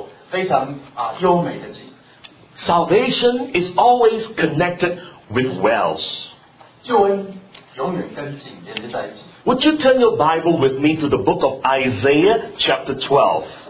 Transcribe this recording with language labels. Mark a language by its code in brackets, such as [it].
[zh] 所以当摩西把以色列百姓从埃及带出来的时候，他们进入到以琳这个地方，在以琳附近，他们就发现了有12口非常优美的井。 [en] Salvation is always connected with wells. [zh] 救恩永远跟井连接在一起。 [en] Would you turn your Bible with me to the book of Isaiah chapter 12?